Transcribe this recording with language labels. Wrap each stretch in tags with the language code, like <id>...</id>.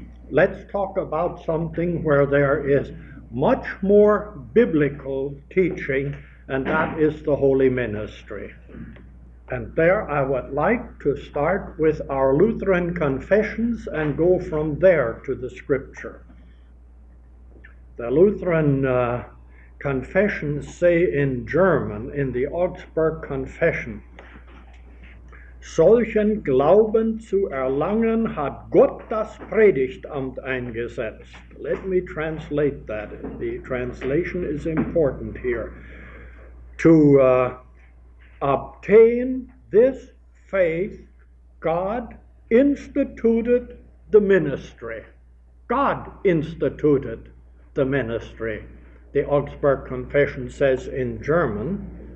<en>Let's talk about something where there is much more biblical teaching, and that is the holy ministry. And there I would like to start with our Lutheran confessions and go from there to the scripture. The Lutheran confessions say in German, in the Augsburg Confession,</en> <de>solchen Glauben zu erlangen hat Gott das Predigtamt eingesetzt.</de> <en>Let me translate that. The translation is important here. To obtain this faith, God instituted the ministry. God instituted the ministry, the Augsburg Confession says in German.</en>